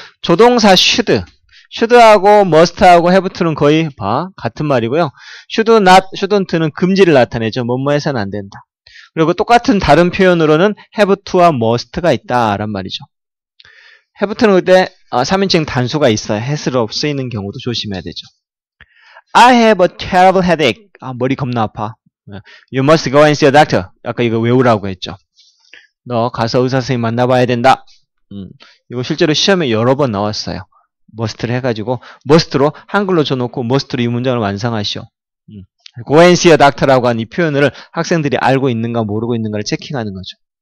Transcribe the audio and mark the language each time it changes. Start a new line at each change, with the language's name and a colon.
Korean: 조동사 should. should하고 must하고 have to는 거의 같은 말이고요. should not, shouldn't는 금지를 나타내죠. 뭐뭐 해서는 안 된다. 그리고 똑같은 다른 표현으로는 have to와 must가 있다란 말이죠. have to는 그때 3인칭 단수가 있어요. has로 쓰이는 경우도 조심해야 되죠.
English: I have a terrible headache.
Korean: 머리 겁나 아파.
English: You must go and see a doctor.
Korean: 아까 이거 외우라고 했죠. 너 가서 의사 선생님 만나봐야 된다. 이거 실제로 시험에 여러 번 나왔어요. must를 해가지고 must로 한글로 줘놓고 must로 이 문장을 완성하시오.
English: go and see a doctor
Korean: 라고 하는 이 표현을 학생들이 알고 있는가 모르고 있는가를 체킹하는 거죠.